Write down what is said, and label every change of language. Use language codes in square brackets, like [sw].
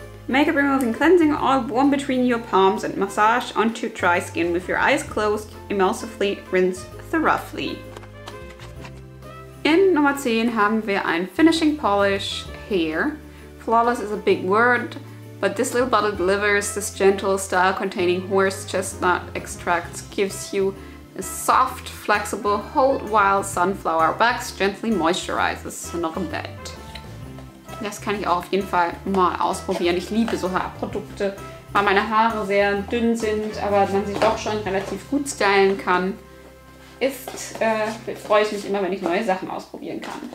[en] Make-up removing cleansing oil warm between your palms and massage onto dry skin with your eyes closed. Emulsively rinse thoroughly. [de] In Nummer 10 haben wir ein Finishing Polish Hair. [en] Flawless is a big word, but this little bottle delivers this gentle style containing horse chestnut extracts, gives you a soft, flexible, hold while sunflower wax gently moisturizes. Not a bad. [de] Das kann ich auch auf jeden Fall mal ausprobieren. Ich liebe so Haarprodukte, weil meine Haare sehr dünn sind, aber man sich doch schon relativ gut stylen kann. Freue ich mich immer, wenn ich neue Sachen ausprobieren kann.